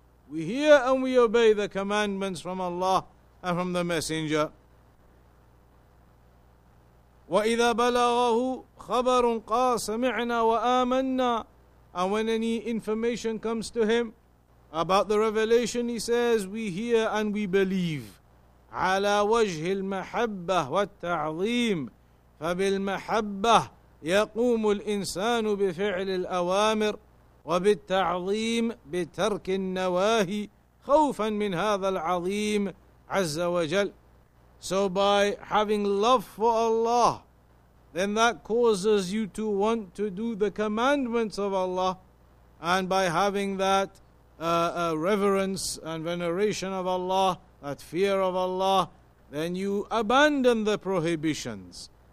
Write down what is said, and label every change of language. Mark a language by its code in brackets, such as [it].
[en] We hear and we obey the commandments from Allah and from the messenger. [ar] وَإِذَا بَلَغَهُ خَبَرٌ قَالْ سَمِعْنَا وَآمَنَّا. [en] And when any information comes to him about the revelation, he says, we hear and we believe. [ar] على وجه المحبة والتعظيم، فبالمحبة يقوم الإنسان بفعل الأوامر، وبالتعظيم بترك النواهي خوفا من هذا العظيم عز وجل. [en] So by having love for Allah, then that causes you to want to do the commandments of Allah, and by having that reverence and veneration of Allah, that fear of Allah, then you abandon the prohibitions.